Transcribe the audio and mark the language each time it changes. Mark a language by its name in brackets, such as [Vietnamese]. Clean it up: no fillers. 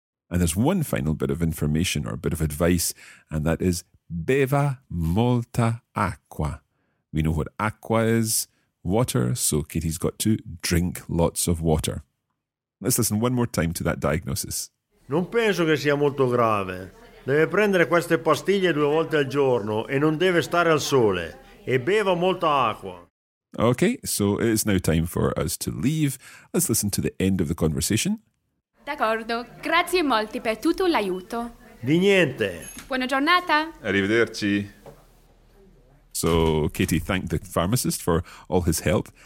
[English] And there's one final bit of information or a bit of advice, and that is [Italian] beva molta acqua. [English] We know what acqua is, water, so Katie's got to drink lots of water. Let's listen one more time to that diagnosis. [Italian] Non penso che sia molto grave. Deve prendere queste pastiglie due volte al giorno e non deve stare al sole. E beva molta acqua. [English] Okay, so it's now time for us to leave. Let's listen to the end of the conversation. [Italian] D'accordo, grazie molti per tutto l'aiuto. Di niente. Buona giornata. Arrivederci. [English] So Katie thanked the pharmacist for all his help.